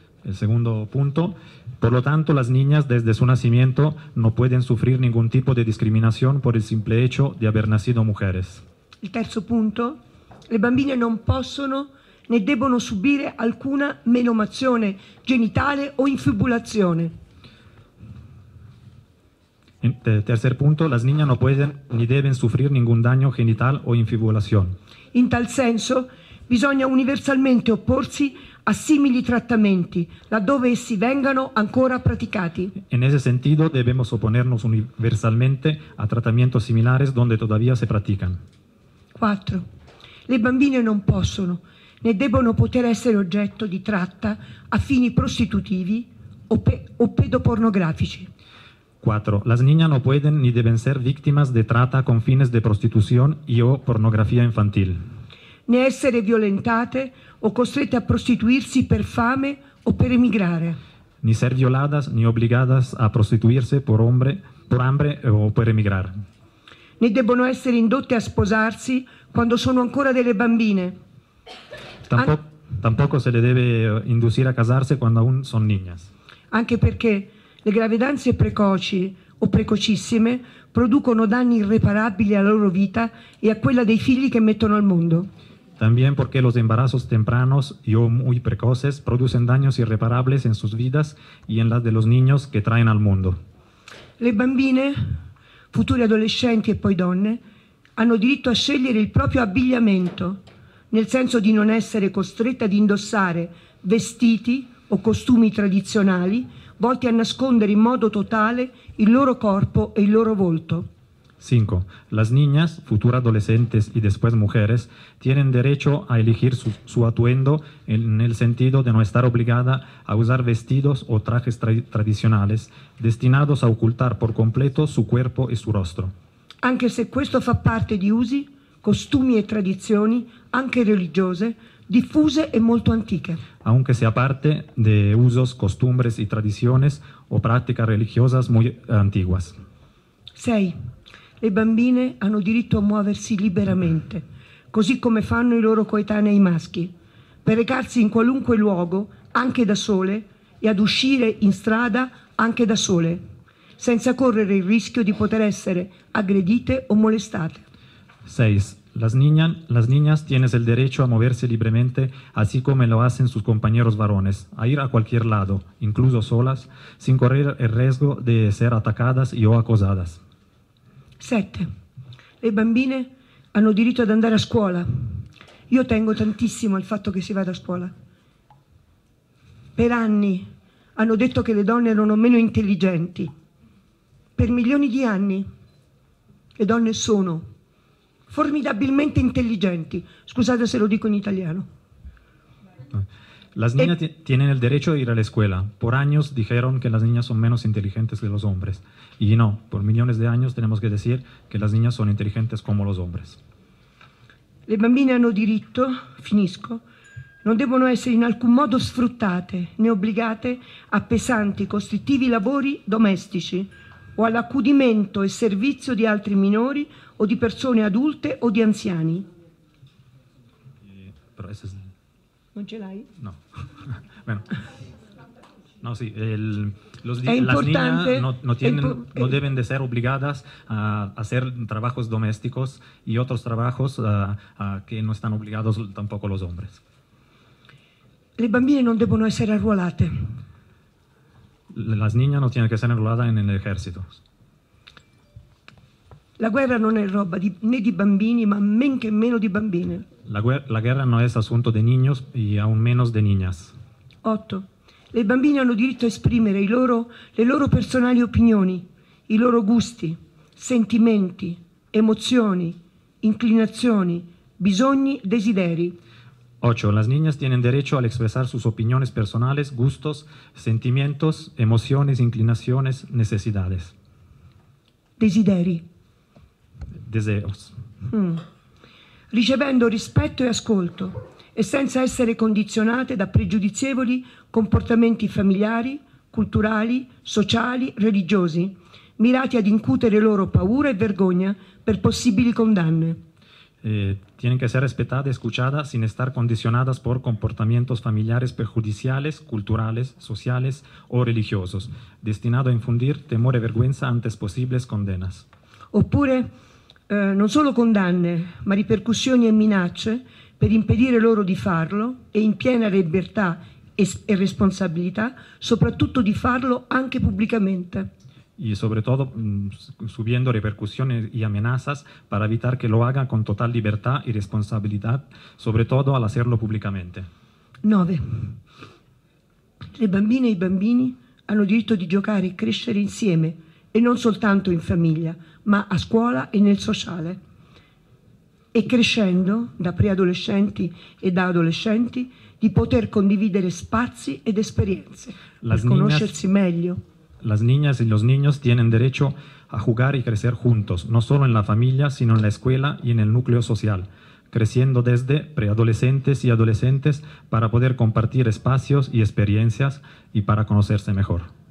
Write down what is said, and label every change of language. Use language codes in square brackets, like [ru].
[es] El segundo punto. Por lo tanto, las niñas desde su nacimiento no pueden sufrir ningún tipo de discriminación por el simple hecho de haber nacido mujeres. El tercer punto, [it] le bambine non possono né debono subire alcuna menomazione genitale o infibulazione. [es] Tercer punto, las niñas no pueden ni deben sufrir ningún daño genital o infibulación. [it] In tal senso, bisogna universalmente opporsi a simili trattamenti, laddove essi vengano ancora praticati. [es] En ese sentido, debemos oponernos universalmente a tratamientos similares donde todavía se practican. [it] 4. Le bambine non possono, né debono poter essere oggetto di tratta a fini prostitutivi o pedopornografici. [es] 4. Las niñas no pueden ni deben ser víctimas de trata con fines de prostitución y o pornografía infantil. [it] Né essere violentate o costrette a prostituirsi per fame o per emigrare. [es] Ni ser violadas ni obligadas a prostituirse por hambre o [it] per emigrare. Né debono essere indotte a sposarsi quando sono ancora delle bambine. [es] Tampoco se le deve inducir a casarse quando aún son niñas. [it] Anche perché le gravidanze precoci o precocissime producono danni irreparabili alla loro vita e a quella dei figli che mettono al mondo. [es] También porque los embarazos tempranos y o muy precoces producen daños irreparables en sus vidas y en las de los niños que traen al mundo. [it] Le bambine, futuri adolescenti e poi donne, hanno diritto a scegliere il proprio abbigliamento, nel senso di non essere costrette ad indossare vestiti o costumi tradizionali volti a nascondere in modo totale il loro corpo e il loro volto. [es] 5. Las niñas, futuras adolescentes y después mujeres, tienen derecho a elegir su atuendo en el sentido de no estar obligada a usar vestidos o trajes tradicionales destinados a ocultar por completo su cuerpo y su rostro. [it] Anche se questo fa parte di usi, costumi e tradizioni, anche religiose, diffuse e molto antiche. [es] Aunque sea parte de usos, costumbres y tradiciones o prácticas religiosas muy antiguas. [it] 6. Le bambine hanno diritto a muoversi liberamente, così come fanno i loro coetanei maschi, per recarsi in qualunque luogo, anche da sole, e ad uscire in strada, anche da sole, senza correre il rischio di poter essere aggredite o molestate. [es] 6. Las niñas tienes el derecho a moverse libremente, así como lo hacen sus compañeros varones, a ir a cualquier lado, incluso solas, sin correr el riesgo de ser atacadas y o acosadas. [it] 7. Le bambine hanno diritto ad andare a scuola. Io tengo tantissimo al fatto che si vada a scuola. Per anni hanno detto che le donne erano meno intelligenti. Per milioni di anni le donne sono formidabilmente intelligenti. Scusate se lo dico in italiano. [es] Las niñas tienen el derecho a ir a la escuela. Por años dijeron que las niñas son menos inteligentes que los hombres. Y no, por millones de años tenemos que decir que las niñas son inteligentes como los hombres. [it] Le bambine hanno diritto, finisco, non devono essere in alcun modo sfruttate né obbligate a pesanti costrittivi lavori domestici o all'accudimento e servizio di altri minori o di persone adulte o di anziani. Non ce l'hai? [es] No. Bueno. No, sí, las niñas no deben de ser obligadas a hacer trabajos domésticos y otros trabajos que no están obligados tampoco los hombres. [it] Le bambine non devono essere arruolate. [es] Las niñas no tienen que ser enroladas en el ejército. [it] La guerra non è roba di, né di bambini, ma men che meno di bambine. [es] La guerra no es asunto de niños y aún menos de niñas. [it] 8. Le bambine hanno diritto a esprimere le loro personali opinioni, i loro gusti, sentimenti, emozioni, inclinazioni, bisogni, desideri. [es] 8. Las niñas tienen derecho a expresar sus opiniones personales, gustos, sentimientos, emociones, inclinaciones, necesidades. [it] Desideri. [es] Deseos. [it] Ricevendo rispetto e ascolto e senza essere condizionate da pregiudizievoli comportamenti familiari, culturali, sociali, religiosi, mirati ad incutere loro paura e vergogna per possibili condanne. [es] Tienen que ser respetadas y escuchadas sin estar condicionadas por comportamientos familiares perjudiciales, culturales, sociales o religiosos, destinado a infundir temor y vergüenza ante posibles condenas. [it] Oppure, non solo condanne, ma ripercussioni e minacce per impedire loro di farlo e in piena libertà e responsabilità, soprattutto di farlo anche pubblicamente. [es] Y sobre todo subiendo repercusiones y amenazas para evitar que lo hagan con total libertad y responsabilidad, sobre todo al hacerlo públicamente. [it] 9. Le bambine e i bambini hanno diritto di giocare e crescere insieme, e non soltanto in famiglia, ma a scuola e nel sociale. E crescendo, da preadolescenti e da adolescenti, di poter condividere spazi ed esperienze, per conoscersi meglio. [es] Las niñas y los niños tienen derecho a jugar y crecer juntos, no solo en la familia, sino en la escuela y en el núcleo social, creciendo desde preadolescentes y adolescentes para poder compartir espacios y experiencias y para conocerse mejor.